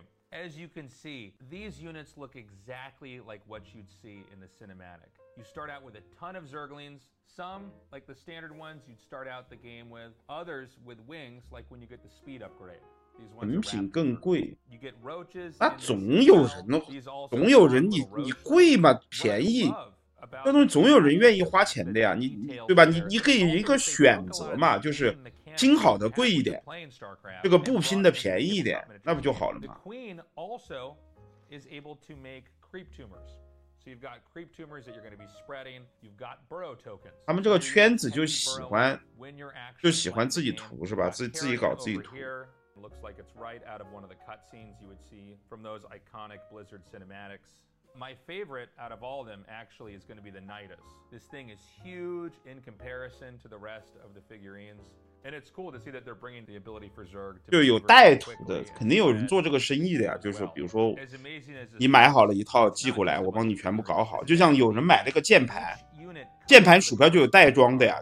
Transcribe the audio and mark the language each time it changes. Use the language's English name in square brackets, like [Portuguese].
[English] As you can see, these units look exactly like what you'd see in the cinematic. You start out with a ton of Zerglings, some like the standard ones you'd start out the game with, others with wings like when you get the speed upgrade. These ones are raptor. You get roaches. [Chinese] 那总有人呢，总有人你贵嘛，便宜，那东西总有人愿意花钱的呀，你对吧？你可以一个选择嘛，就是。拼好的贵一点，这个不拼的便宜一点，那不就好了吗？ [English] The queen also is able to make creep tumors. So you've got creep tumors that you're going to be spreading. You've got burrow tokens. [Chinese] 他们这个圈子就喜欢自己涂是吧？自己搞自己涂。 [English] Looks like it's right out of one of the cutscenes you would see from those iconic Blizzard cinematics. My favorite out of all of them actually is going to be the Nidus. This thing is huge in comparison to the rest of the figurines, and it's cool to see that they're bringing the ability for Zerg to. [Chinese] 就有带图的，肯定有人做这个生意的呀。就是比如说，你买好了一套寄过来，我帮你全部搞好。就像有人买了个键盘鼠标就有带装的呀。